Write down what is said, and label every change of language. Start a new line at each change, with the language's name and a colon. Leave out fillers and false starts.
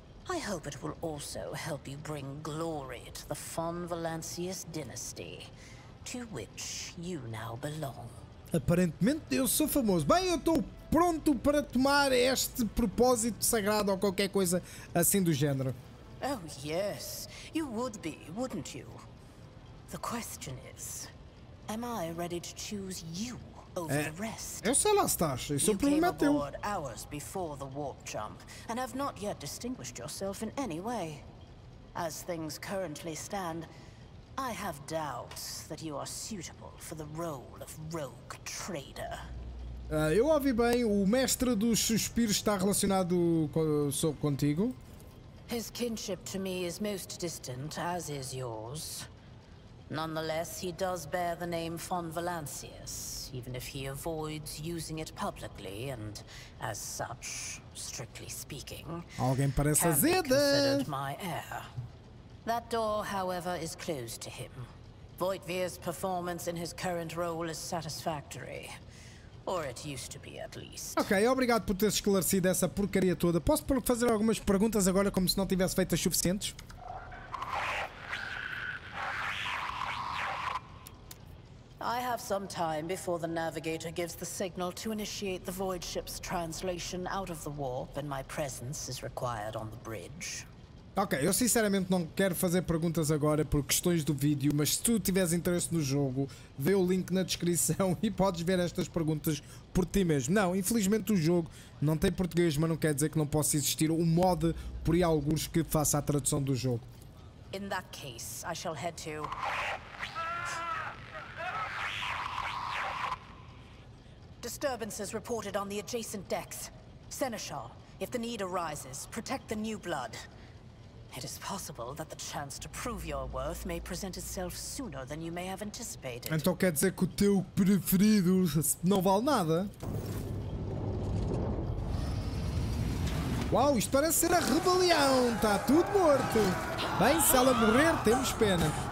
English: I hope it will also help you bring glory to the von Valancius dynasty, to which you now belong.
Portuguese: Aparentemente eu sou famoso. Bem, eu estou pronto para tomar este propósito sagrado ou qualquer coisa assim do género.
English: Oh, yes. You would be, wouldn't you? The question is, am I ready to choose you over the rest?
Portuguese: Eu sei lá se estás. Isso é o problema teu.
English: You came aboard hours before the warp jump and have not yet distinguished yourself in any way. As things currently stand, I have doubts that you are suitable for the role of rogue trader.
Portuguese: Eu ouvi bem, o mestre dos suspiros está relacionado contigo.
English: His kinship to me is most distant, as is yours. Nonetheless, he does bear the name von Valancius, even if he avoids using it publicly and, as such, strictly speaking,
Portuguese: alguém parece
English: can
Portuguese: azeda.
English: Be considered my heir. That door, however, is closed to him. Voitvir's performance in his current role is satisfactory. Or it used to be, at least.
Portuguese: Ok, obrigado por teres esclarecido essa porcaria toda. Posso fazer algumas perguntas agora, como se não tivesse feito as suficientes?
English: I have some time before the navigator gives the signal to initiate the void ship's translation out of the warp, and my presence is required on the bridge.
Portuguese: Ok, eu sinceramente não quero fazer perguntas agora por questões do vídeo, mas se tu tiveres interesse no jogo, vê o link na descrição e podes ver estas perguntas por ti mesmo. Não, infelizmente o jogo não tem português, mas não quer dizer que não possa existir um mod por aí alguns que faça a tradução do jogo.
English: In that case, I shall head to... Disturbances reported on the adjacent decks. Seneschal, if the need arises, protect the new blood. It is possible that the chance to prove your worth may present itself sooner than you may have anticipated.
Portuguese: Então quer dizer que o teu preferido não vale nada? Uau, isto parece ser a rebelião! Está tudo morto! Bem, se ela morrer, temos pena.